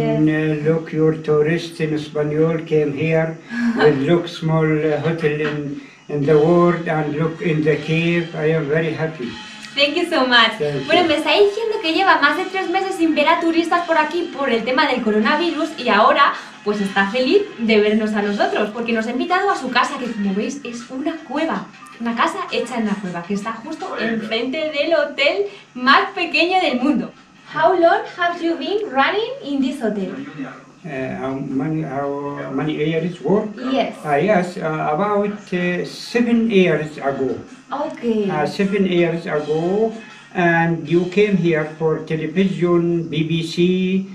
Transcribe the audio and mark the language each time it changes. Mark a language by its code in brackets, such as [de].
[en] And look, your tourists in Espanol came here with look small hotel in the world and look in the cave. I am very happy. Thank you so much. [es] Bueno, me está diciendo que lleva más de 3 meses sin ver a turistas por aquí por el tema del coronavirus y ahora pues está feliz de vernos a nosotros porque nos ha invitado a su casa, que como veis es una cueva, una casa hecha en la cueva, que está justo enfrente del hotel más pequeño del mundo. [en] How long have you been running in this hotel? How many years work? Yes. About 7 years ago. Okay. 7 years ago, and you came here for television, BBC,